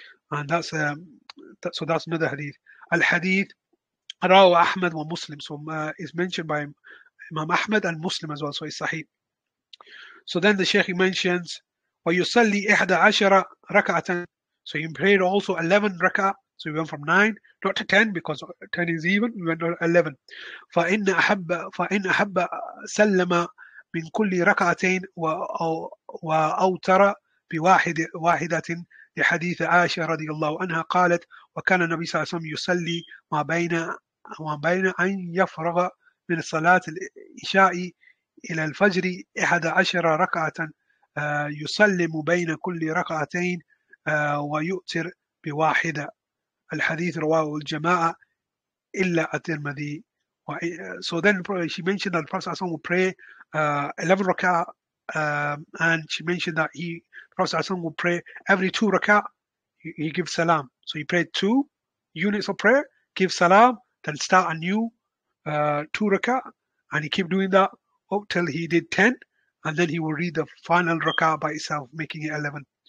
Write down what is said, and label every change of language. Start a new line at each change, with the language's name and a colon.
English: And that's so that's another hadith.
Arabic: Al hadith rawa Ahmad wa Muslim,
English: so is mentioned by Imam Ahmad and Muslim as well, so it's sahih. So then the Shaykh mentions
Arabic: وَيُصَلِّي إِحْدَى عَشَرَ رَكَعَةً,
English: so he prayed also 11 rak'ah. So he went from 9 not to 10, because 10 is even, we went to 11.
Arabic: فَإِنْ أَحَبَّ سَلَّمَ مِنْ كُلِّ رَكَعَتَيْنْ وَأَوْتَرَ بِوَاحِدَةٍ لِحَدِيثِ عَائِشَةَ رَضِيَ اللَّهُ عَنْهَا قَالَتْ وَكَانَ النَّبِيُّ صَلَّى اللَّهُ عَلَيْهِ وَسَلَّمَ يُصَلِّي مَا بَيْنَ أَنْ يَفْرَغَ من صلاة العشاء إلى الفجر 11 ركعة يسلم بين كل ركعتين ويؤتر بواحدة. الحديث رواه الجماعة إلا الترمذي.
English: So then she mentioned that the Prophet ﷺ would pray 11 ركعة, and she mentioned that the Prophet ﷺ would pray every 2 ركعة he gives salam. So he prayed 2 units of prayer, give salam, then start anew. 2 rak'ah, and he kept doing that up till he did 10, and then he will read the final rak'ah by itself, making it 11.